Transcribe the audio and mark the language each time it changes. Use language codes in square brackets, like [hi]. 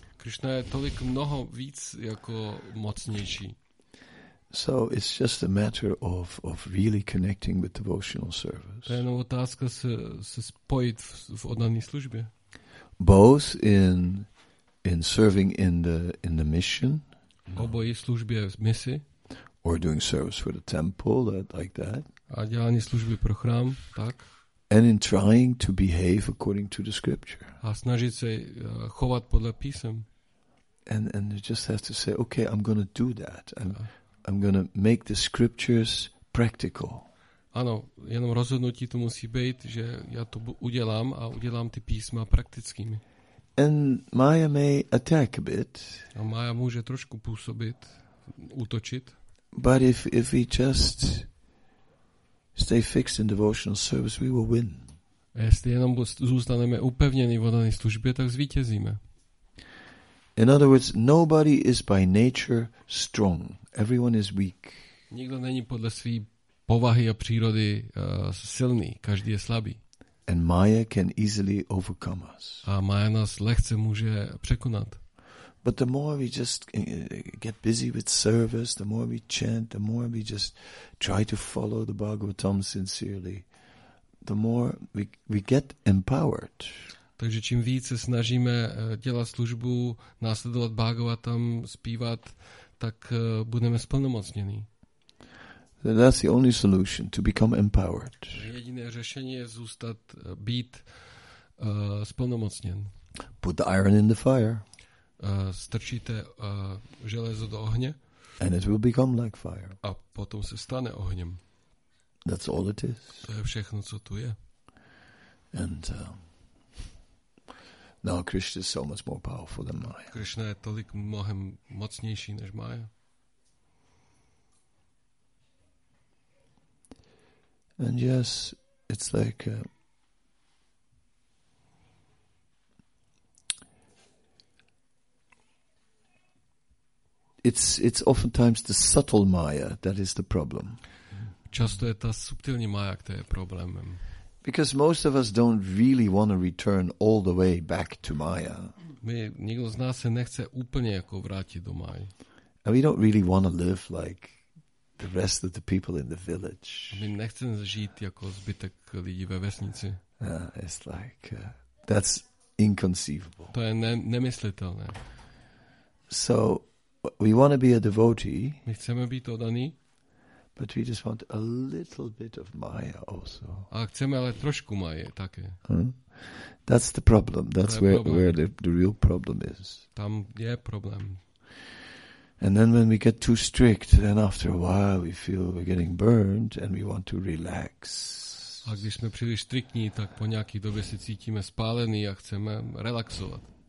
[cs] Krishna je tolik mnoho víc jako mocnější. [en] So it's just a matter of really connecting with devotional service. [cs] To je jenom otázka se spojit v oddaný službě. [en] Both in serving in the mission. [cs] Obojí službě v misi. [en] Or doing service for the temple, like that. [cs] A dělání služby pro chrám, tak. [en] And in trying to behave according to the scripture. [cs] A snažit se chovat podle písem. [en] And you just have to say, okay, I'm going to do that. I'm going to make the scriptures practical. [cs] Ano, jenom rozhodnutí to musí být, že já to udělám a udělám ty písma praktickými. [en] And Maya may attack a bit. [cs] A Maya může trošku působit, útočit. [en] But if we just stay fixed in devotional service, we will win. [cs] Jestli jenom zůstaneme upevněni v oddané službě, tak zvítězíme. [en] In other words, nobody is by nature strong. Everyone is weak. [cs] Nikdo není podle své povahy a přírody silný. Každý je slabý. [en] And Maya can easily overcome us. [cs] A Maya nás lehce může překonat. [en] But the more we just get busy with service, the more we chant, the more we just try to follow the Bhagavatam sincerely, the more we get empowered. [cs] Takže čím více snažíme dělat službu, následovat Bhagavatam, zpívat, tak budeme splnomocnění. [en] That's the only solution, to become empowered. [cs] Jediné řešení je zůstat, být splnomocněn. [en] Put the iron in the fire. [cs] Strčíte železo do ohně. [en] And it will become like fire. [cs] A potom se stane ohněm. [en] That's all it is. [cs] To je všechno, co tu je. [en] And now Krishna is so much more powerful than Maya. [cs] Krishna je tolik mnohem mocnější než Maya. [en] And yes, it's like It's oftentimes the subtle Maya that is the problem. [cs] Často je ta subtilní Maya, která je problémem. [en] Because most of us don't really want to return all the way back to Maya. [cs] My nikdo z nás se nechce úplně jako vrátit do Maya. [en] And we don't really want to live like the rest of the people in the village. [cs] My nechceme žít jako zbytek lidí ve vesnici. [en] It's like that's inconceivable. [cs] To je nemyslitelné. [en] So we want to be a devotee. [cs] My chceme být oddaný. [en] But we just want a little bit of Maya also. [cs] A chceme ale trošku Maje také. [en] That's the problem. That's where the real problem is. [cs] Tam je problém. [en] And then when we get too strict, then after a while we feel we're getting burned and we want to relax. [cs] A když jsme příliš striktní, tak po nějaký době se cítíme spálený a chceme relaxovat.